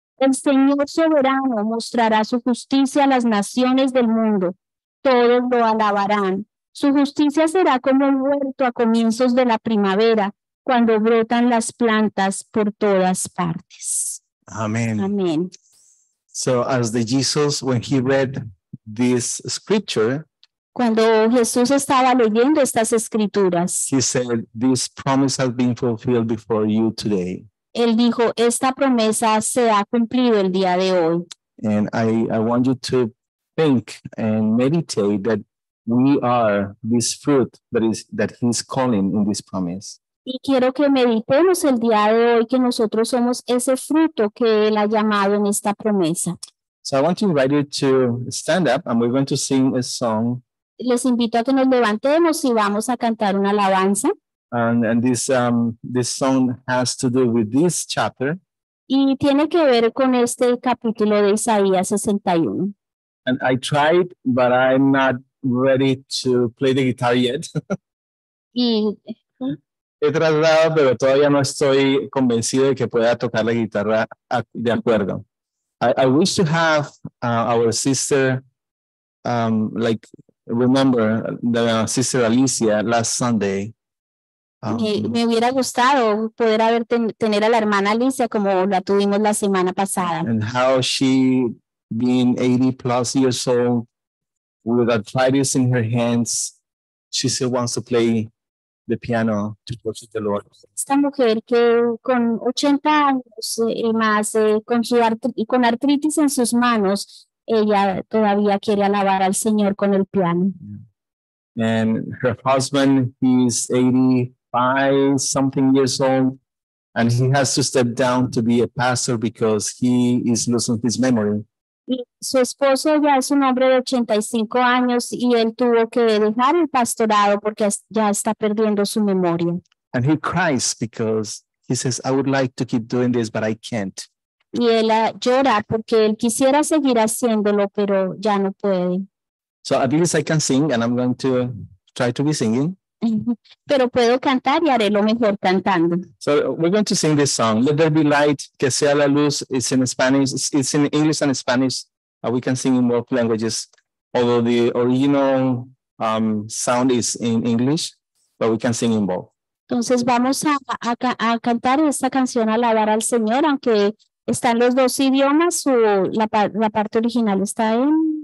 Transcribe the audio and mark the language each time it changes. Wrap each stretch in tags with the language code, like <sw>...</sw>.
<es>El Señor soberano mostrará su justicia a las naciones del mundo. Todos lo alabarán. Su justicia será como un huerto a comienzos de la primavera, cuando brotan las plantas por todas partes. Amén. Amén.</es> <en>So as the Jesus, when he read this scripture,</en> <es>cuando Jesús estaba leyendo estas escrituras,</es> <en>he said, this promise has been fulfilled before you today.</en> <es>Él dijo, esta promesa se ha cumplido el día de hoy.</es> <en>And I want you to think and meditate that we are this fruit that he's calling in this promise.</en> <es>Y quiero que meditemos el día de hoy que nosotros somos ese fruto que él ha llamado en esta promesa.</es> <en>So I want to invite you to stand up and we're going to sing a song.</en> <es>Les invito a que nos levantemos y vamos a cantar una alabanza.</es> <en>And this song has to do with this chapter.</en> <es>Y tiene que ver con este capítulo de Isaías 61.</es> <en>And I tried, but I'm not ready to play the guitar yet.</en> <es>Y he tratado, pero todavía no estoy convencido de que pueda tocar la guitarra de acuerdo.</es> <en>I wish to have our sister, remember the sister Alicia last Sunday.</en> <es>Me hubiera gustado poder haber tener a la hermana Alicia como la tuvimos la semana pasada.</es> <en>And how she, being 80 plus years old, with arthritis in her hands, she still wants to play the piano to worship the Lord.</en> <es>Esta mujer que con 80 años y más, con artritis en sus manos, ella todavía quiere alabar al Señor con el piano.</es> <en>And her husband, he's 85 something years old, and he has to step down to be a pastor because he is losing his memory.</en> <es>Y su esposo ya es un hombre de 85 años y él tuvo que dejar el pastorado porque ya está perdiendo su memoria.</es> <en>And he cries because he says, I would like to keep doing this, but I can't.</en> <es>Y él llora porque él quisiera seguir haciéndolo, pero ya no puede.</es> <en>So at least I can sing and I'm going to try to be singing.</en> <es>Pero puedo cantar y haré lo mejor cantando.</es> <en>So we're going to sing this song. Let there be light,</en> <es>que sea la luz.</es> <en>It's in Spanish. It's in English and Spanish. We can sing in both languages, although the original sound is in English, but we can sing in both.</en> <es>Entonces vamos a cantar esta canción, alabar al Señor, aunque están los dos idiomas o la parte original está en.</es>